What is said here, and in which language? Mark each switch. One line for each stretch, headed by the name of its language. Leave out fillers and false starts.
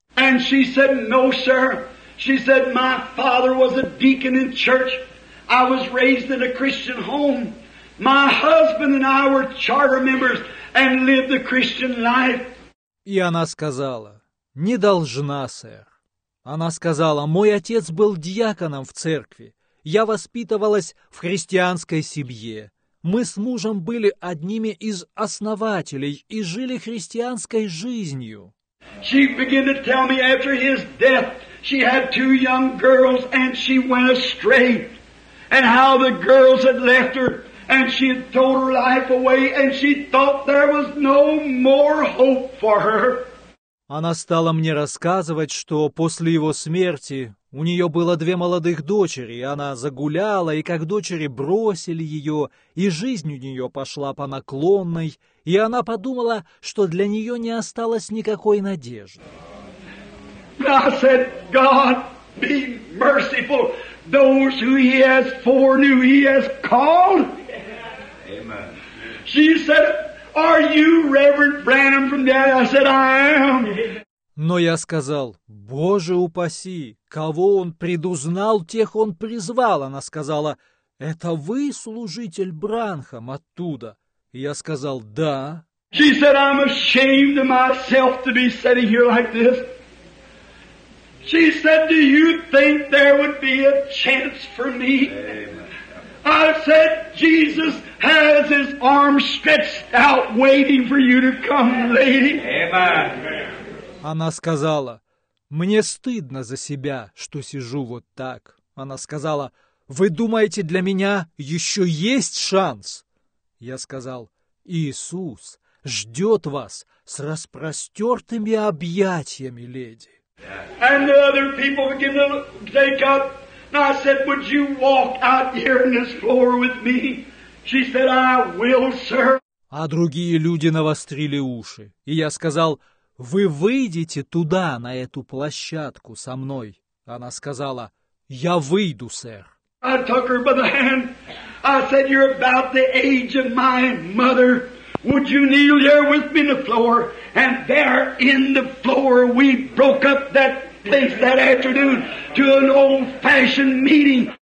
English: And she said, "No, sir." She said, "My father was a deacon in church. I was raised in a Christian home. My husband and I were charter members and lived the Christian life."
Russian: И она сказала, «Не должна, сэр». Она сказала, «Мой отец был диаконом в церкви. Я воспитывалась в христианской семье. Мы с мужем были одними из основателей и жили христианской жизнью».
English: She began to tell me after his death, she had two young girls and she went astray. And how the girls had left her, and she had thrown her life away, and she thought there was no more hope for her.
Russian: Она стала мне рассказывать, что после его смерти у нее было две молодых дочери, и она загуляла, и как дочери бросили ее, и жизнь у нее пошла по наклонной, и она подумала, что для нее не осталось никакой надежды.
English: I said, "God, be merciful. Those who he has foreknew, he has called." Amen. She said, "Are you Reverend Branham from that?" I said, "I am."
Russian: Но я сказал, «Боже упаси, кого он предузнал, тех он призвал». Она сказала, «Это вы служитель Бранхам оттуда?» Я сказал, «Да».
English: She said, "I'm ashamed of myself to be sitting here like this." She said, "Do you think there would be a chance for me?" Amen. I said, "Jesus has his arms stretched out waiting for you to come, lady." Amen.
Russian: Она сказала, «Мне стыдно за себя, что сижу вот так». Она сказала, «Вы думаете, для меня еще есть шанс?» Я сказал, «Иисус ждет вас с распростертыми объятиями, леди».
English: And the other people began to take up. And I said, "Would you walk out here on this floor with me?" She said, "I will, sir."
Russian: А другие люди навострили уши. И я сказал, «Вы выйдете туда, на эту площадку со мной?» Она сказала, «Я выйду, сэр».
English: I took her by the hand. I said, "You're about the age of my mother. Would you kneel there with me on the floor?" And there in the floor, we broke up that place that afternoon to an old-fashioned meeting.